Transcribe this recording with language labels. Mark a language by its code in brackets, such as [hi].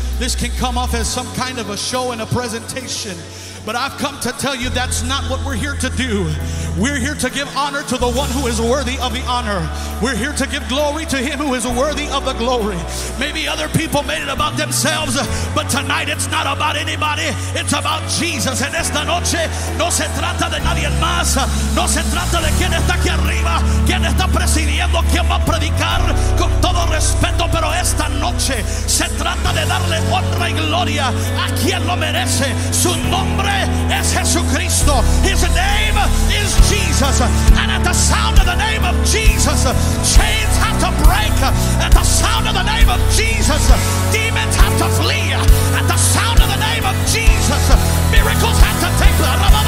[en] This can come off as some kind of a show and a presentation. But I've come to tell you that's not what we're here to do. We're here to give honor to the one who is worthy of the honor. We're here to give glory to him who is worthy of the glory. Maybe other people made it about themselves, but tonight it's not about anybody. It's about Jesus. [es] En esta noche no se trata de nadie más. No se trata de quién está aquí arriba, quién está presidiendo, quién va a predicar, con todo respeto. Pero esta noche se trata de darle honra y gloria a quien lo merece. Su nombre es Jesucristo. [en] His name is Jesus. And at the sound of the name of Jesus, chains have to break. At the sound of the name of Jesus, demons have to flee. At the sound of the name of Jesus, miracles have to take place.